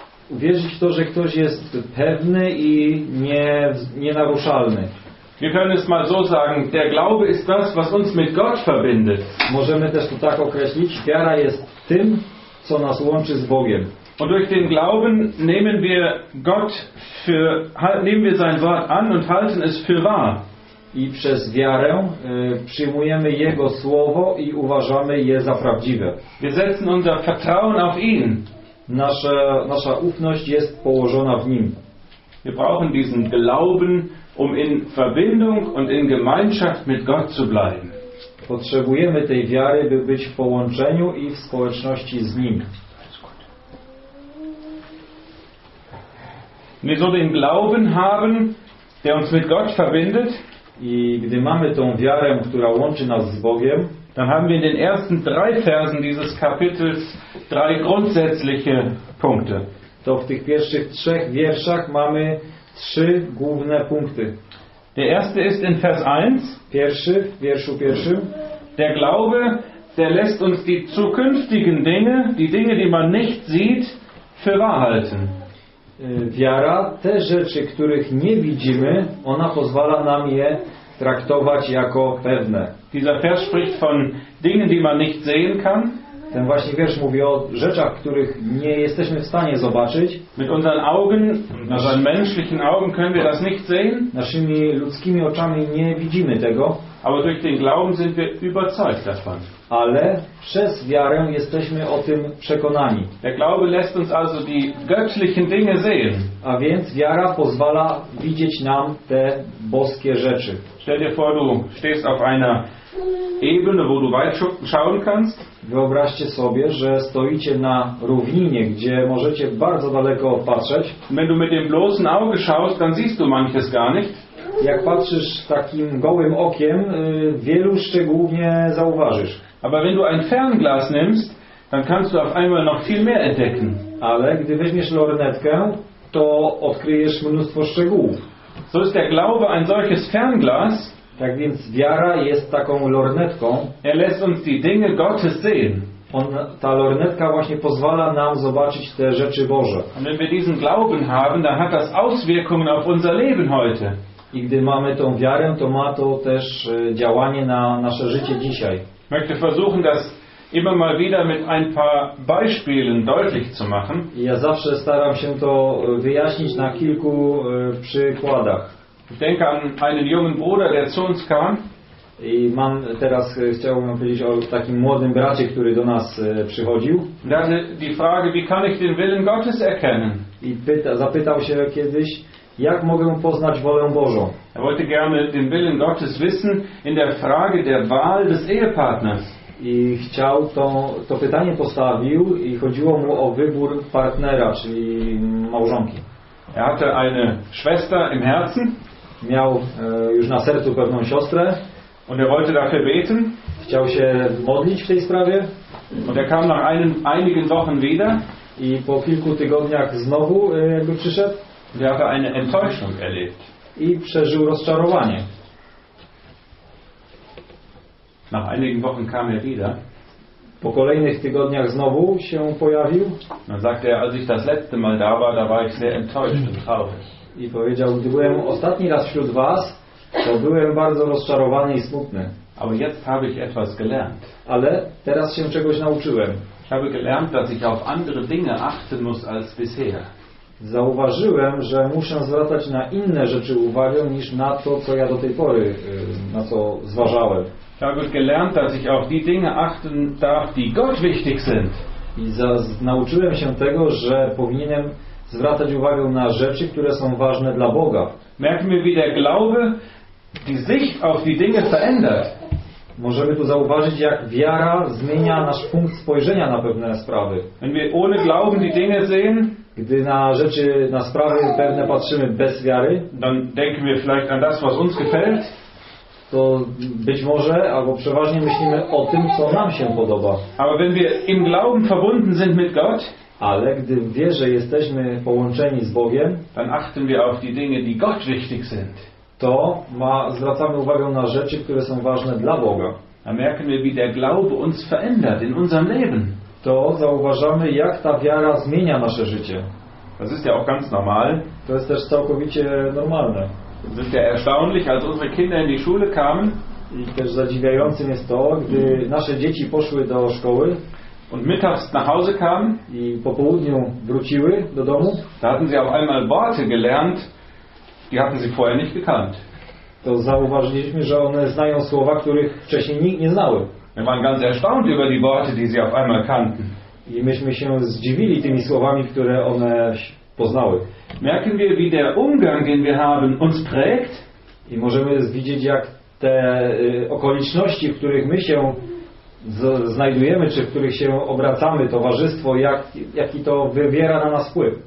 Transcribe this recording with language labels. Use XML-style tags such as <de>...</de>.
<pl>Uwierzyć w to, że ktoś jest pewny i nienaruszalny.</pl> <de>Wir können es mal so sagen, der Glaube ist das, was uns mit Gott verbindet.</de> <pl>Możemy też to tak określić, wiara jest tym, co nas łączy z Bogiem.</pl> <de>Und durch den Glauben nehmen wir sein Wort an und halten es für wahr.</de> <pl>I przez wiarę przyjmujemy Jego Słowo i uważamy je za prawdziwe.</pl> <de>Wir setzen unser Vertrauen auf ihn.</de> <pl>Nasza ufność jest położona w Nim.</pl> <de>Wir brauchen diesen Glauben, um in Verbindung und in Gemeinschaft mit Gott zu bleiben.</de> <pl>Potrzebujemy tej wiary, by być w połączeniu i w społeczności z Nim.</pl> <de>Wir sollen den Glauben haben, der uns mit Gott verbindet.</de> <pl>I gdy mamy tą wiarę, która łączy nas z Bogiem,</pl> <de>dann haben wir in den ersten drei Versen dieses Kapitels drei grundsätzliche Punkte.</de> <pl>To w tych pierwszych trzech wierszach mamy trzy główne punkty.</pl> <de>Der erste ist in Vers 1.</de> <pl>Pierwszy, w wierszu pierwszym.</pl> <de>Der Glaube, der lässt uns die zukünftigen Dinge, die Dinge, die man nicht sieht, für wahr halten.</de> <pl>Wiara, te rzeczy, których nie widzimy, ona pozwala nam je traktować jako pewne.</pl> <de>Dieser Vers spricht von Dingen, die man nicht sehen kann.</de> <pl>Ten właśnie wiersz mówi o rzeczach, których nie jesteśmy w stanie zobaczyć.</pl> <de>Mit unseren Augen, naszymi menschlichen Augen können wir das nicht sehen.</de> <pl>Naszymi ludzkimi oczami nie widzimy tego.</pl> <de>Aber durch den Glauben sind wir überzeugt davon.</de> <pl>Ale przez wiarę jesteśmy o tym przekonani.</pl> <de>Der Glaube lässt uns also die göttlichen Dinge sehen.</de> <pl>A więc wiara pozwala widzieć nam te boskie rzeczy.</pl> <de>Stell dir vor, du stehst auf einer Ebene, wo du weit schauen kannst.</de> <pl>Wyobraźcie sobie, że stoicie na równinie, gdzie możecie bardzo daleko patrzeć.</pl> <de>Wenn du mit dem bloßen Auge schaust, dann siehst du manches gar nicht.</de> <pl>Jak patrzysz takim gołym okiem, wielu szczegółów nie zauważysz.</pl> <de>Aber wenn du ein Fernglas nimmst, dann kannst du auf einmal noch viel mehr entdecken.</de> <pl>Ale gdy weźmiesz lornetkę, to odkryjesz mnóstwo szczegółów.</pl> <de>So ist der Glaube ein solches Fernglas.</de> <pl>Tak więc wiara jest taką lornetką.</pl> <de>Er lässt uns die Dinge Gottes sehen.</de> <pl>On, ta lornetka właśnie pozwala nam zobaczyć te rzeczy Boże.</pl> <de>Und wenn wir diesen Glauben haben, dann hat das Auswirkungen auf unser Leben heute.</de> <pl>I gdy mamy tą wiarę, to ma to też działanie na nasze życie dzisiaj.</pl> <de>Möchte versuchen, das immer mal wieder mit ein paar Beispielen deutlich zu machen.</de> <pl>Ja zawsze staram się to wyjaśnić na kilku przykładach.</pl> <de>Ich denke an einen jungen Bruder, der zu uns kam.</de> <pl>I mam teraz, chciałbym powiedzieć o takim młodym bracie, który do nas przychodził.</pl> <de>Die Frage, wie kann ich den Willen Gottes erkennen?</de> <pl>I zapytał się kiedyś, jak mogę poznać wolę Bożą.</pl> <de>Er wollte gerne den Willen Gottes wissen in der Frage der Wahl des Ehepartners.</de> <pl>I chciał to pytanie postawił i chodziło mu o wybór partnera, czyli małżonki.</pl> <de>Er hatte eine Schwester im Herzen.</de> <pl>Miał już na sercu pewną siostrę.</pl> <de>Und er wollte dafür beten.</de> <pl>Chciał się modlić w tej sprawie.</pl> <de>Und er kam nach einigen Wochen wieder.</de> <pl>I po kilku tygodniach znowu jakby przyszedł.</pl> <de>Und er hatte eine Enttäuschung erlebt.</de> <pl>I przeżył rozczarowanie.</pl> <de>Nach einigen Wochen kam er wieder.</de> <pl>Po kolejnych tygodniach znowu się pojawił.</pl> <de>Dann sagte er, als ich das letzte Mal da war ich sehr enttäuscht und traurig.</de> <pl>I powiedział, gdy byłem ostatni raz wśród was, to byłem bardzo rozczarowany i smutny.</pl> <de>Aber jetzt habe ich etwas gelernt.</de> <pl>Ale teraz się czegoś nauczyłem.</pl> <de>Ich habe gelernt, dass ich auf andere Dinge achten muss als bisher.</de> <pl>Zauważyłem, że muszę zwracać na inne rzeczy uwagę niż na to, co ja do tej pory na co zważałem.</pl> <de>Ich habe gelernt, dass ich auf die Dinge achten darf, die Gott wichtig sind.</de> <pl>I nauczyłem się tego, że powinienem zwracać uwagę na rzeczy, które są ważne dla Boga.</pl> <de>Merken wir, wie der Glaube die Sicht auf die Dinge verändert.</de> <pl>Możemy tu zauważyć, jak wiara zmienia nasz punkt spojrzenia na pewne sprawy.</pl> <de>Wenn wir ohne Glauben die Dinge sehen,</de> <pl>gdy na rzeczy, na sprawy pewne patrzymy bez wiary,</pl> <de>dann denken wir vielleicht an das, was uns gefällt.</de> <pl>To być może, albo przeważnie myślimy o tym, co nam się podoba.</pl> <de>Aber wenn wir im Glauben verbunden sind mit Gott,</de> <pl>ale gdy w wierze jesteśmy połączeni z Bogiem,</pl> <de>dann achten wir auf die Dinge, die Gott wichtig sind.</de> <pl>To zwracamy uwagę na rzeczy, które są ważne dla Boga.</pl> <de>Da merken wir, wie der Glaube uns verändert in unserem Leben.</de> <pl>To zauważamy, jak ta wiara zmienia nasze życie.</pl> <de>Das ist ja auch ganz normal.</de> <pl>To jest też całkowicie normalne.</pl> <de>Es ist ja erstaunlich, als unsere Kinder in die Schule kamen.</de> <pl>I też zadziwiającym jest to, gdy nasze dzieci poszły do szkoły.</pl> <de>Und mittags nach Hause kamen.</de> <pl>I po południu wróciły do domu.</pl> <de>Da hatten sie auf einmal Worte gelernt, die hatten sie vorher nicht gekannt.</de> <pl>To zauważyliśmy, że one znają słowa, których wcześniej nikt nie znały.</pl> <de>Wir waren ganz erstaunt über die Worte, die sie auf einmal kannten.</de> <pl>I myśmy się zdziwili tymi słowami, które one poznały.</pl> <de>Merken wir, wie der Umgang, den wir haben, uns prägt?</de> <pl>I możemy widzieć, jak te okoliczności, w których my się znajdujemy, czy w których się obracamy, towarzystwo, jaki to wywiera na nas wpływ.</pl>